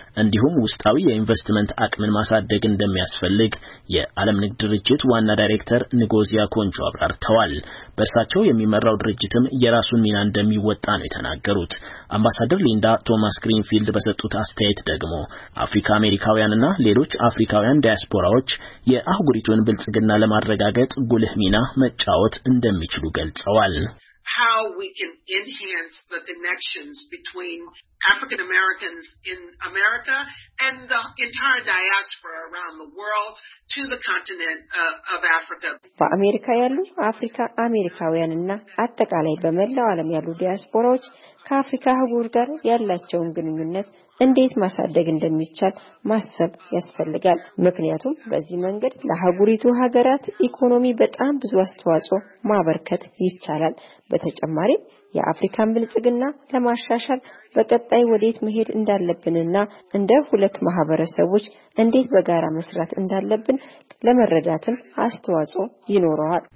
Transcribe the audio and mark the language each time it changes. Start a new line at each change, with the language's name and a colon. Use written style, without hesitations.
Amharic: እንዲሁም ውስጣዊ የኢንቨስትመንት አቅምን ማሳደግ እንደሚያስፈልግ የዓለም ንግድ ድርጅት ዋና ዳይሬክተር ንጎዚያ ኮንጆ አብራርተዋል። በርሳቸው የሚመራው ድርጅትም የራሱን ሚና እንደሚወጣ ነው የተናገሩት። አምባሳደር ሊንዳ ቶማስ ግሪንፊልድ በሰጡት አስተያየት ደግሞ አፍሪካ አሜሪካውያንና ሌሎች አፍሪካውያን ዳያስፖራዎች የአህጉሪቱን ብልጽግና ለማረጋጋት ጉልህ ሚና መጫወት እንደሚችሉ ገልጸዋል።
English: How we can enhance the connections between African Americans in America and the entire diaspora around the world to the continent of Africa.
Amharic: በአሜሪካ ያሉ አፍሪካ አሜሪካውያንና አጠቃላይ በመላው ዓለም ያሉ ዲያስፖራዎች ከአፍሪካ ህብረት ጋር ያላቸውን ግንኙነት እንዴት ማሳደግ እንደሚቻል ማሰብ ያስፈልጋል። ምክንያቱም በዚህ መንገድ ለሀገሪቱ ሀገራት ኢኮኖሚ በጣም ብዙ አስተዋጽኦ ማበርከት ይቻላል። በተጨማሪም የአፍሪካን ብልጽግና ለማሻሻል በቀጣይ ወዴት መሄድ እንዳለብንና እንደ ሁለት ማህበረሰቦች እንዴት በጋራ መስራት እንዳለብን ለመረዳትም አስተዋጽኦ ይኖረዋል።